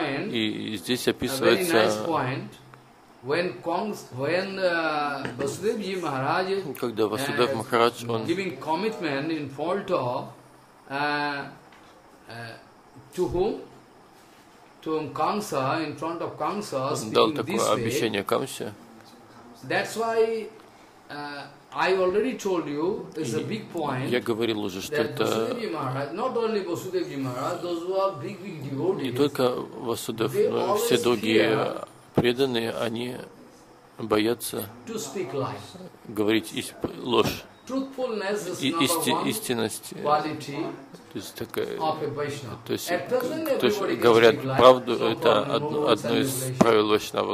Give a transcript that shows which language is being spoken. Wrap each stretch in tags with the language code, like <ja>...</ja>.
<ru>И здесь описывается, когда Васудев Махарадж, он дал такое обещание Камсе.</ru> <en>That's why I already told you it's a big point.</en> <ru>Я говорил уже, что это</ru> <en>not only Vasudevji Maharaj, those who are big devotees.</en> <ru>Не только Васудев, но все другие преданные, они боятся говорить ложь.</ru> <en>Truthfulness is number one quality.</en> <ru>То есть такая, то есть, то есть говорят правду, это одно из правил вайшнава.</ru>